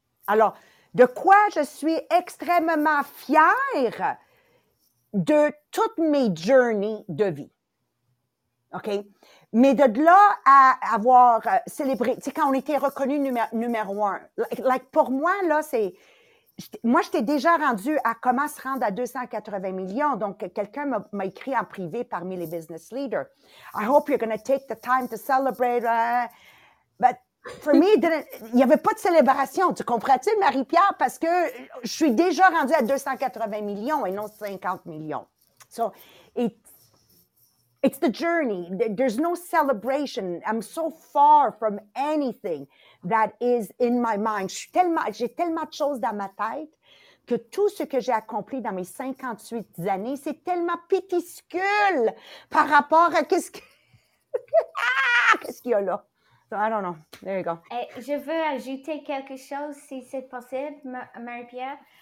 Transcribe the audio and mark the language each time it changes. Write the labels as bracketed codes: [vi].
[fr] Alors, de quoi je suis extrêmement fière de toutes mes journeys de vie. OK? Mais de là à avoir célébré, tu sais, quand on était reconnu numéro un. Like, pour moi, là, moi, j'étais déjà rendue à comment se rendre à 280 millions. Donc, quelqu'un m'a écrit en privé parmi les business leaders. [en] I hope you're going to take the time to celebrate. But for me, [fr] il n'y avait pas de célébration. Tu comprends-tu, Marie-Pierre? Parce que je suis déjà rendue à 280 millions et non 50 millions. [en] So, it's the journey. There's no celebration. I'm so far from anything that is in my mind. [fr] J'ai tellement de choses dans ma tête que tout ce que j'ai accompli dans mes 58 années, c'est tellement pétiscule par rapport à qu'est-ce qu'il y a là. [en] So, I don't know. There you go. [fr] Et je veux ajouter quelque chose, si c'est possible, Marie-Pierre.